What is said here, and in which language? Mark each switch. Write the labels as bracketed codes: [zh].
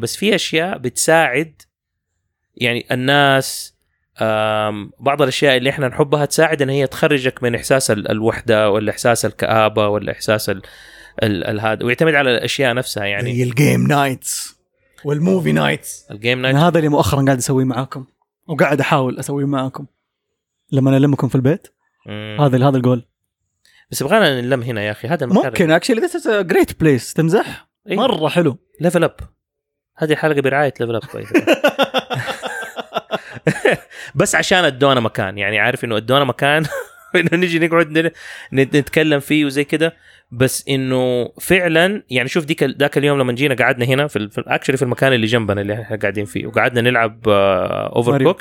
[ar] بس في أشياء بتساعد، يعني الناس، بعض الأشياء اللي إحنا نحبها تساعد إن هي تخرجك من إحساس الوحدة والإحساس الكآبة والإحساس الهاد، ويعتمد على الأشياء نفسها. يعني زي الجيم نايتس والموفي نايتس. الجيم نايتس هذا اللي مؤخرا قاعد أسويه معاكم، وقاعد أحاول أسويه معاكم لما نلمكم في البيت. هذا الجول. بس بغانا نلم هنا يا أخي، هذا المكان ممكن [en] actually this is a great place [ar] تمزح. إيه؟ مرة حلو. ليفل أب، هذه حلقة برعاية ليفل أب. بس عشان ادونا مكان، يعني عارف انه ادونا مكان انه نجي نقعد نتكلم فيه وزي كده. بس انه فعلا يعني شوف ذاك اليوم لما جينا قعدنا هنا في اكشلي في المكان اللي جنبنا اللي احنا قاعدين فيه، وقعدنا نلعب اوفر كوك